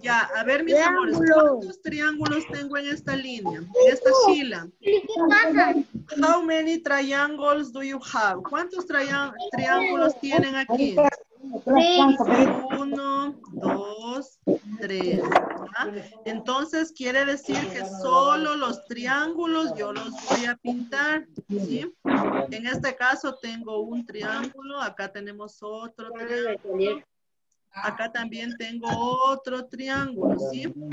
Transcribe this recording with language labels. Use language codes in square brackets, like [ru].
[es] Ya, a ver, mis amores, ¿cuántos triángulos tengo en esta línea, en esta fila? ¿Qué pasa? [en] How many triangles do you have? [es] ¿Cuántos triángulos tienen aquí? Tres. Uno, dos, tres. ¿Verdad? Entonces, quiere decir que solo los triángulos yo los voy a pintar, ¿sí? En este caso tengo un triángulo, acá tenemos otro triángulo, acá también tengo otro triángulo, ¿sí?